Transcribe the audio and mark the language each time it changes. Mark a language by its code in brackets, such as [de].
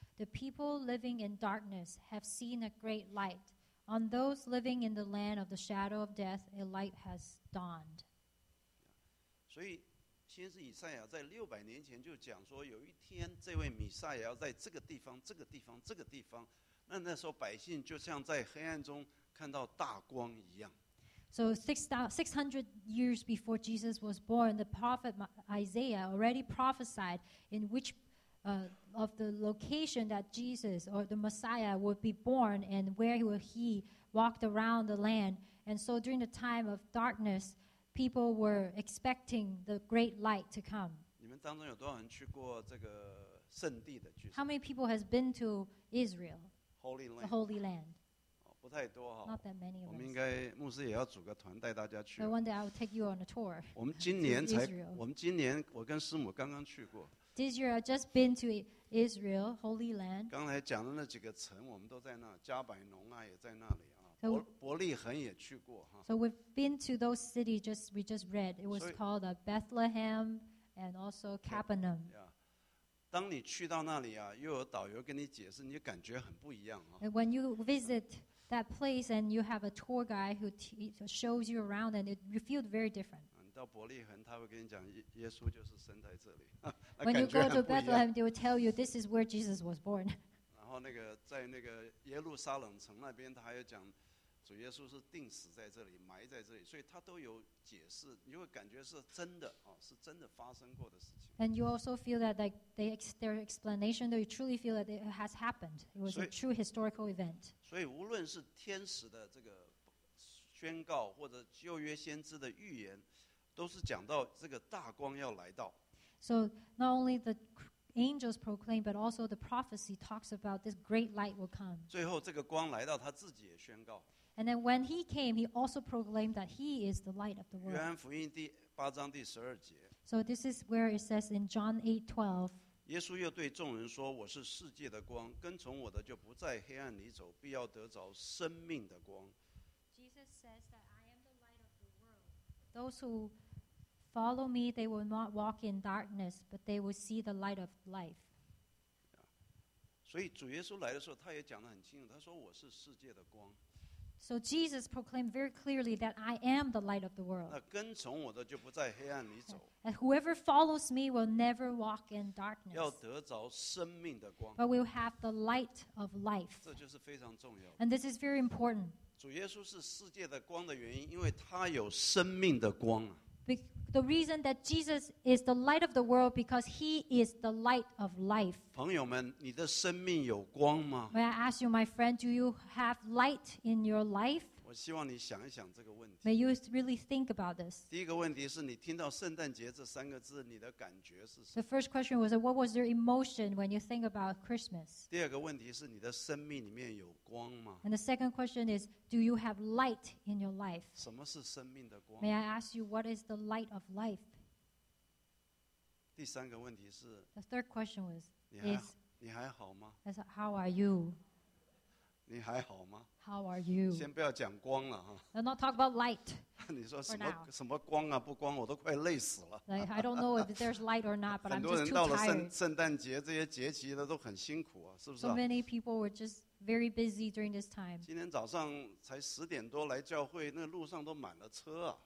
[en] The people living in darkness have seen a great light. On those living in the land of the shadow of death, a light has dawned. [zh] So, 先是以赛亚在六百年前就讲说，有一天这位弥赛亚要在这个地方，这个地方，这个地方。那时候百姓就像在黑暗中看到大光一样。 [en] So 600 years before Jesus was born, the prophet Isaiah already prophesied in which of the location that Jesus or the Messiah would be born and where would he walked around the land. And so during the time of darkness, people were expecting the great light to come. [zh] 你们当中有多少人去过这个圣地的？ [en] How many people has been to Israel? The Holy Land. Not that many of us. [zh] 我们应该牧师也要组个团带大家去。 [en] But one day I will take you on a tour. [zh] 我们今年才，我们今年我跟师母刚刚去过。 [en] This year I've just been to Israel, Holy Land. [zh] 刚才讲的那几个城，我们都在那，加百农啊也在那里啊，伯利恒也去过哈。 [en] So we've been to those cities we just read. It was called Bethlehem and also Capernaum. Yeah. [zh] 当你去到那里啊，又有导游跟你解释，你就感觉很不一样啊。 [en] When you visit that place and you have a tour guide who shows you around, and you feel very different. [zh] 你到伯利恒，他会跟你讲，耶稣就是生在这里。 [en] When you go to Bethlehem, they will tell you this is where Jesus was born. [zh] 然后那个在那个耶路撒冷城那边，他还有讲主耶稣是钉死在这里，埋在这里，所以他都有解释，你会感觉是真的啊，是真的发生过的事情。 [en] And you also feel that like their explanation, though you truly feel that it has happened, it was a true historical event. [zh] 所以无论是天使的这个宣告，或者旧约先知的预言，都是讲到这个大光要来到。 [en] So not only the angels proclaim, but also the prophecy talks about this great light will come. [zh] 最后这个光来到，他自己也宣告。 [en] And then when he came, he also proclaimed that he is the light of the world. [zh] 约翰福音第八章第十二节。 [en] So this is where it says in John 8:12. [zh] 耶稣又对众人说：“我是世界的光，跟从我的就不在黑暗里走，必要得着生命的光。” [en] Jesus says that I am the light of the world. Those who follow me, they will not walk in darkness, but they will see the light of life. [zh] 所以主耶稣来的时候，他也讲得很清楚，他说：“我是世界的光。” [en] So Jesus proclaimed very clearly that I am the light of the world. [zh] 那跟从我的就不在黑暗里走。 [en] And whoever follows me will never walk in darkness. [zh] 要得着生命的光。 [en] But we'll have the light of life. [zh] 这就是非常重要的。 [en] And this is very important. [zh] 主耶稣是世界的光的原因，因为他有生命的光。 [en] The reason that Jesus is the light of the world because he is the light of life. [zh] 朋友们，你的生命有光吗？ [en] May I ask you, my friend, do you have light in your life? [zh] 我希望你想一想这个问题。 [en] May you really think about this. [zh] 第一个问题是你听到圣诞节这三个字，你的感觉是什么？ [en] The first question was, what was your emotion when you think about Christmas? [zh] 第二个问题是你的生命里面有光吗？ [en] And the second question is, do you have light in your life? [zh] 什么是生命的光？ [en] May I ask you, what is the light of life? [zh] 第三个问题是 [en] The third question was, [zh] 你还好吗？ [en] How are you? [zh] 你还好吗？ [en] How are you? [zh] 先不要讲光了。 [en] Let's not talk about light. [zh] 你说什么什么光啊不光，我都快累死了。 [en] Like, I don't know if there's light or not, but I'm just too tired. [zh] 很多人到了圣诞节这些节期的都很辛苦啊，是不是啊？ [en] So many people were just very busy during this time. [zh] 今天早上才十点多来教会，那路上都满了车啊。